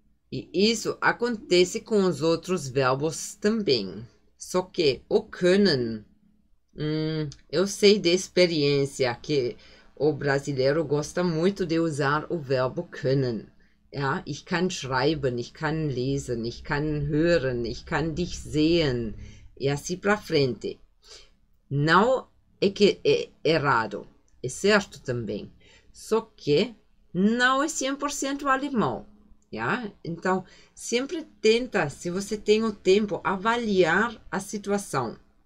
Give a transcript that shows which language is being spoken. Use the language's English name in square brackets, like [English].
[Portuguese] E isso acontece com os outros verbos também. Só que o können, eu sei de experiência que o brasileiro gosta muito de usar o verbo können. [German] Ja, ich kann schreiben, ich kann lesen, ich kann hören, ich kann dich sehen. [Portuguese] E assim para frente. Não é que é errado, é certo também. Só que não é 100% alemão. Yeah? Então, sempre tenta, se você tem o tempo, avaliar a situação.